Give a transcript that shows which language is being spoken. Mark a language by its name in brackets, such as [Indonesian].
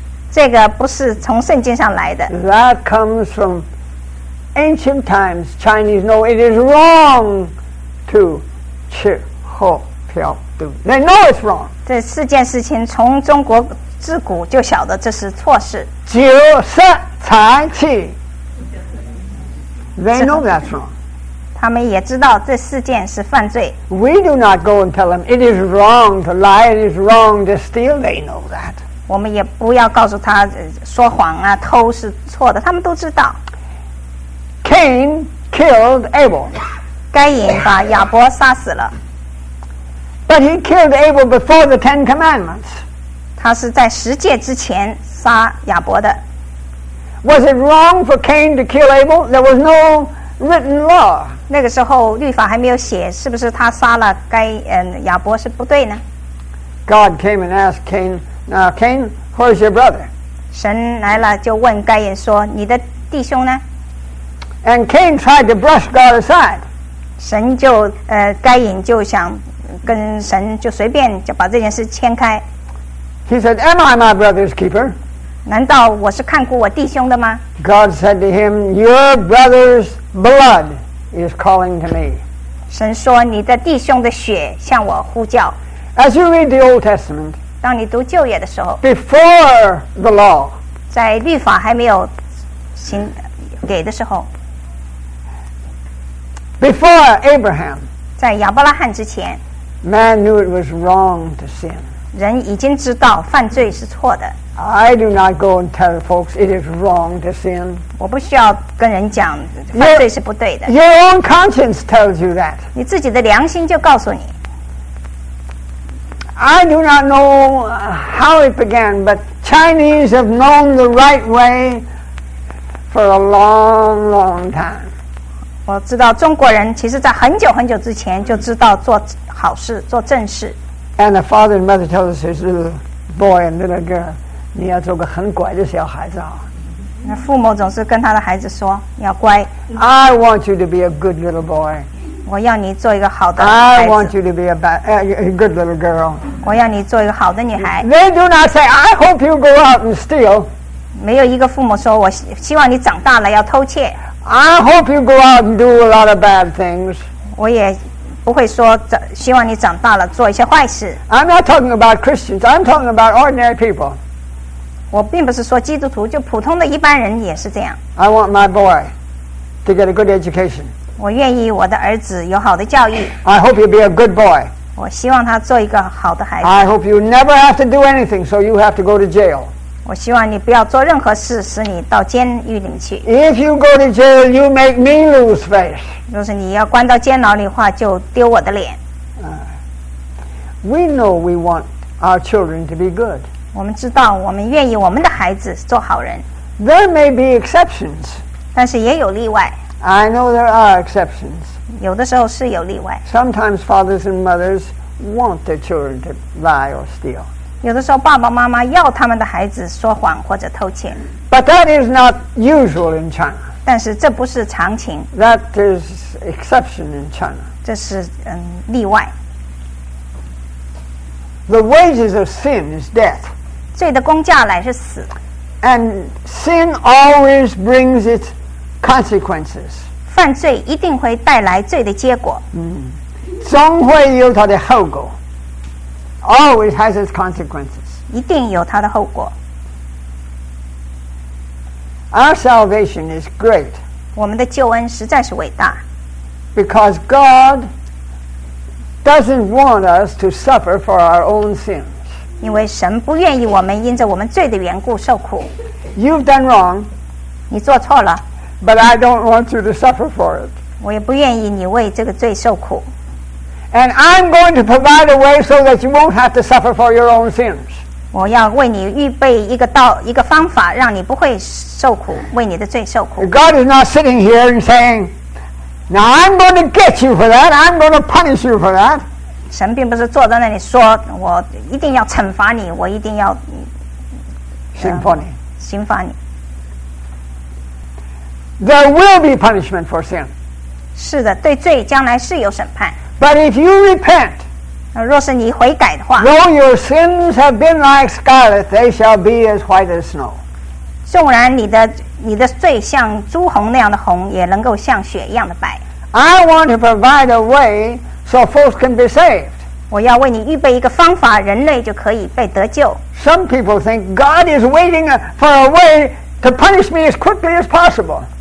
[Chinese] 这个不是从圣经上来的。 [English] That comes from ancient times. Chinese know it is wrong to [Chinese] 吃喝嫖赌。 [English] They know it's wrong. [Chinese] 这四件事情从中国自古就晓得这是错事。酒色财气。 [English] They know that's wrong. [Chinese] 他们也知道这四件是犯罪。 [English] We do not go and tell them it is wrong to lie, it is wrong to steal. They know that. [Chinese] 我们也不要告诉他说谎啊、偷是错的，他们都知道。 [English] Cain killed Abel. [Chinese] 该隐把亚伯杀死了。 [English] But he killed Abel before the Ten Commandments. [Chinese] 他是在十诫之前杀亚伯的。 [English] Was it wrong for Cain to kill Abel? There was no written law. [Chinese] 那个时候律法还没有写，是不是他杀了该亚伯是不对呢？ [English] God came and asked Cain, "Now, Cain, where's your brother?" [Chinese] 神来了就问该隐说，你的弟兄呢？ [English] And Cain tried to brush God aside. [Chinese] 神就该隐就想跟神就随便就把这件事牵开。 [English] He said, "Am I my brother's keeper?" [Chinese] 难道我是看顾我弟兄的吗？ [English] God said to him, "Your brother's blood is calling to me." [Chinese] 神说你的弟兄的血向我呼叫。 [English] As you read the Old Testament, [Chinese] 当你读旧约的时候， [English] before the law, [Chinese] 在律法还没有行给的时候， [English] before Abraham, [Chinese] 在亚伯拉罕之前， [English] man knew it was wrong to sin. [Chinese] 人已经知道犯罪是错的。 [English] I do not go and tell folks it is wrong to sin. [Chinese] 我不需要跟人讲犯罪是不对的。 [English] Your own conscience tells you that. [Chinese] 你自己的良心就告诉你。 [English] I do not know how it began, but Chinese have known the right way for a long, long time. [Chinese] 我知道中国人其实在很久很久之前就知道做好事、做正事。 [English] And the father and mother tell us his little boy and little girl, [Chinese] 你要做个很乖的小孩子啊。那父母总是跟他的孩子说要乖。 [English] I want you to be a good little boy. [Chinese] 我要你做一个好的孩子。 [English] I want you to be a good little girl. [Chinese] 我要你做一个好的女孩。 [English] They do not say, "I hope you go out and steal." [Chinese] 没有一个父母说我希望你长大了要偷窃。 [English] I hope you go out and do a lot of bad things. [Chinese] 我也不会说希望你长大了做一些坏事。 [English] I'm not talking about Christians. I'm talking about ordinary people. [Chinese] 我并不是说基督徒，就普通的一般人也是这样。 [English] I want my boy to get a good education. [Chinese] 我愿意我的儿子有好的教育。 [English] I hope you'll be a good boy. [Chinese] 我希望他做一个好的孩子。 [English] I hope you never have to do anything, so you have to go to jail. [Chinese] 我希望你不要做任何事，使你到监狱里去。 [English] If you go to jail, you make me lose face. [Chinese] 若是你要关到监牢里的话，就丢我的脸。 [English] We know we want our children to be good. [Chinese] 我们知道我们愿意我们的孩子做好人。 [English] There may be exceptions. [Chinese] 但是也有例外。 [English] I know there are exceptions. [Chinese] 有的时候是有例外。 [English] Sometimes fathers and mothers want their children to lie or steal. [Chinese] 有的时候爸爸妈妈要他们的孩子说谎或者偷窃。 [English] But that is not usual in China. [Chinese] 但是这不是常情。 [English] That is exception in China. [Chinese] 这是例外。 [English] The wages of sin is death. [Chinese] 罪的工价乃是死。 [English] And sin always brings its consequences. [Chinese] 犯罪一定会带来罪的结果。总会有它的后果。 [English] Always has its consequences. [Chinese] 一定有它的后果。 [English] Our salvation is great. [Chinese] 我们的救恩实在是伟大。 [English] Because God... doesn't want us to suffer for our own sins. [Chinese] 因为神不愿意我们因着我们罪的缘故受苦。 [English] You've done wrong. [Chinese] 你做错了。 [English] But I don't want you to suffer for it. [Chinese] 我也不愿意你为这个罪受苦。 [English] And I'm going to provide a way so that you won't have to suffer for your own sins. [Chinese] 我要为你预备一个道，一个方法，让你不会受苦，为你的罪受苦。 [English] God is not sitting here and saying,Now I'm going to get you for that. I'm going to punish you for that. [Chinese] 神并不是坐在那里说，我一定要惩罚你，我一定要刑罚你，刑罚你。 [English] There will be punishment for sin. [Chinese] 是的，对罪将来是有审判。 [English] But if you repent, [Chinese] 若是你悔改的话， [English] though your sins have been like scarlet, they shall be as white as snow. [Chinese] 纵然你的罪像朱红那样的红，也能够像雪一样的白。 [English] I want to provide a way so folks can be saved. [Chinese] 我要为你预备一个方法，人类就可以被得救。 [English] Some people think God is waiting for a way to punish me as quickly as possible.